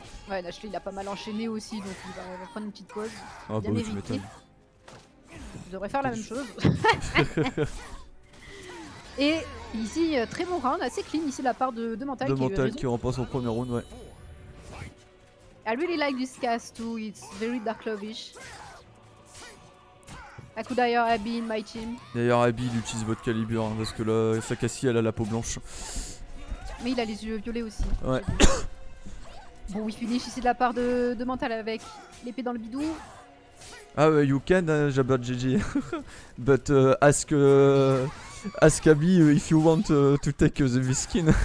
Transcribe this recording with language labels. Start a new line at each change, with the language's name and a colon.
French: Ouais, Nashley il a pas mal enchaîné aussi, donc il va prendre une petite pause. Ah bah oui, tu m'étonnes. Je devrais faire la même chose. Et ici, très bon round, assez clean ici de la part de Mental. De Mental qui remporte son premier round, ouais.
English: I really like this cast too, it's very Dark Love-ish. I could hire Abby in my team.
French: D'ailleurs, Abby il utilise votre calibre hein, parce que là, sa Cassie elle a la peau blanche. Mais il a les yeux violets aussi. Ouais. Bon, we finish ici de la part de Mental avec l'épée dans le bidou.
English: Ah ouais, you can, Jabba GG. But ask Abby if you want to take the V-skin.